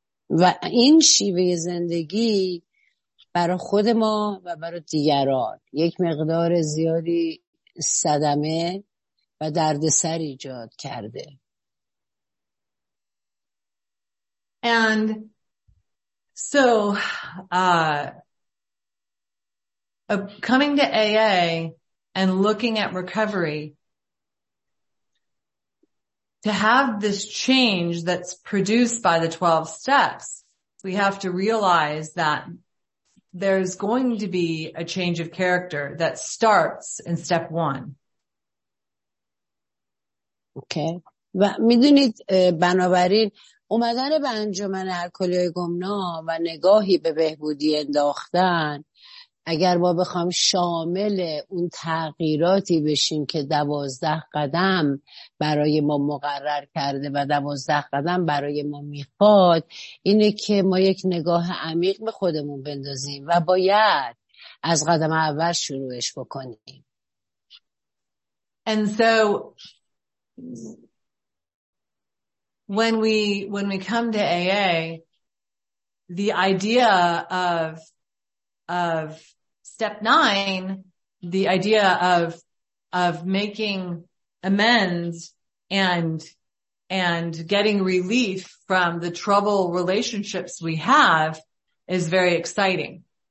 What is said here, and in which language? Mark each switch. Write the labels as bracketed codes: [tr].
[fa] و این شیوه زندگی برای خود ما و برای دیگران یک مقدار زیادی صدمه و دردسر ایجاد کرده. [en] And so coming to AA and looking at recovery, to have this change that's produced by the 12 steps, we have to realize that there's going to be a change of character that starts in step one. Okay. [fa] و میدونید بنابراین اومدن به انجمن الکلی‌های گمنام و نگاهی به بهبودی انداختن، اگر ما بخوام شامل اون تغییراتی بشیم که 12 قدم برای ما مقرر کرده و 12 قدم برای ما میخواد، اینه که ما یک نگاه عمیق به خودمون بندازیم و باید از قدم اول شروعش بکنیم. [en] And so when we come to AA, the idea of step 9, the idea of making amends and getting relief from the trouble relationships we have is very exciting.